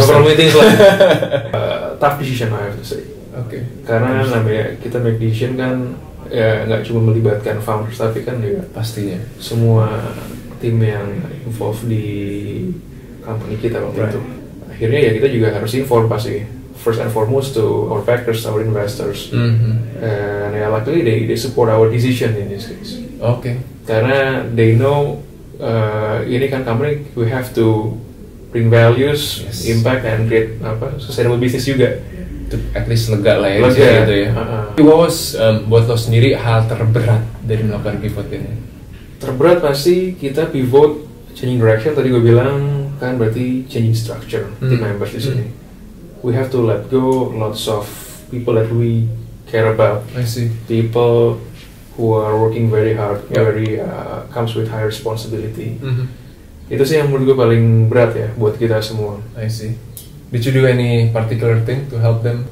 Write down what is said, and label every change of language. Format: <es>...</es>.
<en>Several meetings lah. Tough decision I have to say. Okay.</en> <id>Karena namanya kita</id> <en>make decision</en> <id>kan ya nggak cuma melibatkan</id> <en>founders</en> <id>tapi kan juga pastinya semua tim yang</id> <en>involved</en> <id>di company kita waktu itu. Akhirnya ya kita juga harus</id> <en>inform</en> <id>pasti</id> <en>first and foremost to our backers, our investors. And yeah, luckily they support our decision in this case. Okay.</en> <id>Karena</id> <en>they know</en> <id>ini kan</id> <en>company we have to bring values, yes, impact, and create</en> <id>apa</id> <en>sustainable business</en> <id>juga.</id> <en>At least</en> <id>lega lah ya, lega. Sih, gitu ya. Uh-huh.</id> <en>What was</en> <id>buat lo sendiri hal terberat dari melakukan pivot ini? Terberat pasti kita</id> <en>pivot changing direction.</en> <id>Tadi gue bilang kan berarti</id> <en>changing structure team members</en> <id>di sini.</id> <en>We have to let go lots of people that we care about. I see. People who are working very hard, very comes with high responsibility.</en> <id>Itu sih yang menurut gue paling berat ya buat kita semua.</id> <en>I see. Did you do any particular thing to help them?</en>